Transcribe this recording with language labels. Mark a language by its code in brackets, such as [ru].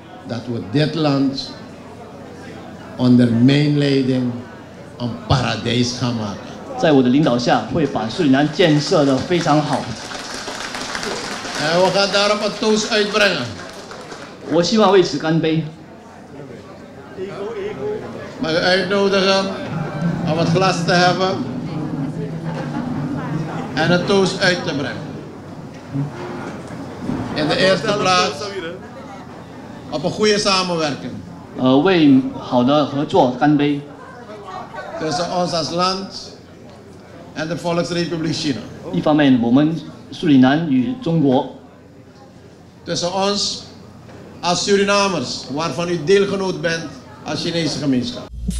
[nl] That we dit land under mijn leiding een paradijs gaan maken. [zh] 在我的领导下，会把苏里南建设得非常好。 [nl] And we gaan daarop een toast uitbrengen. [zh] 我希望为此干杯。 [nl] Mag ik uitnodigen om het glas te hebben en een toast uit te brengen. In de eerste plaats op een goede samenwerking. Tussen ons als land en de Volksrepubliek China. [zh] 一方面我们苏里南与中国. [nl] tussen ons als Surinamers, waarvan u deelgenoot bent als Chinese gemeenschap.